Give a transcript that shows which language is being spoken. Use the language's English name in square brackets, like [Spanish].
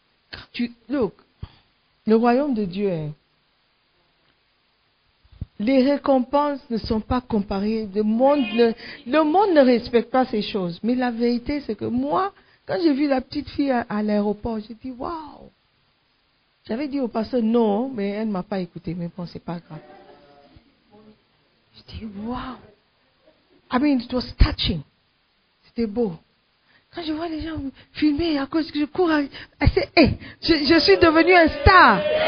[French] Quand tu, [English] look, [French] le royaume de Dieu, les récompenses ne sont pas comparées. Le monde ne respecte pas ces choses. Mais la vérité, c'est que moi, quand j'ai vu la petite fille à l'aéroport, j'ai dit, waouh. J'avais dit au pasteur non, mais elle ne m'a pas écouté. Mais bon, c'est pas grave. J'ai dit, waouh. [English] I mean, it was touching. [French] C'était beau. Quand je vois les gens filmer à cause que je cours, elle dit, je suis devenue un star.